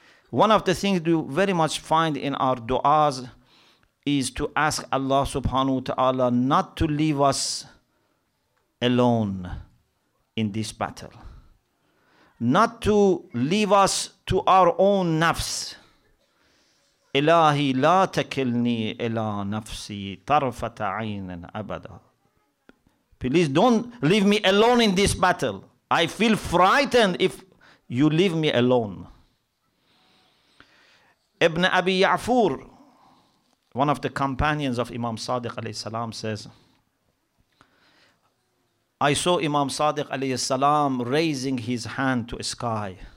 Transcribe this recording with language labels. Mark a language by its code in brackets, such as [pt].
[en] One of the things we very much find in our du'as is to ask Allah subhanahu wa ta'ala not to leave us alone in this battle. Not to leave us to our own nafs. [ar] إلهي لا تكلني إلى نفسي طرفة عين أبدا. [en] Please don't leave me alone in this battle. I feel frightened if you leave me alone. Ibn Abi Ya'fur, one of the companions of Imam Sadiq alayhi salam, says, I saw Imam Sadiq alayhi salam raising his hand to a sky.